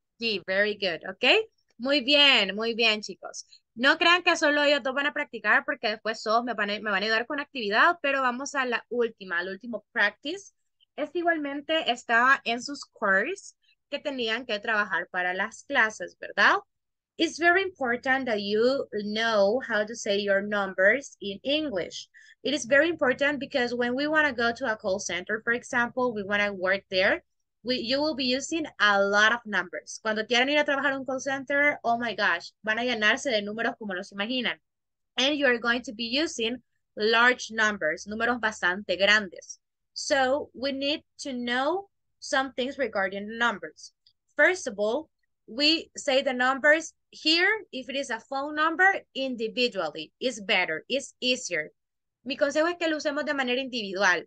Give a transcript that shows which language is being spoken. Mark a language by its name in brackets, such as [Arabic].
[English] G, very good, ¿ok? [Spanish] Muy bien, chicos. No crean que solo ellos dos van a practicar porque después todos me van a ayudar con actividad, pero vamos a la última, al último practice. Es igualmente, estaba en sus queries que tenían que trabajar para las clases, ¿verdad? [English] It's very important that you know how to say your numbers in English. It is very important because when we want to go to a call center, for example, we want to work there, you will be using a lot of numbers. [Spanish] Cuando quieran ir a trabajar un call center, [English] oh my gosh, [Spanish] van a llenarse de números como los imaginan. [English] And you are going to be using large numbers, [Spanish] números bastante grandes. [English] So we need to know some things regarding numbers. First of all, we say the numbers here, if it is a phone number, individually, it's better, it's easier. [Spanish] Mi consejo es que lo usemos de manera individual.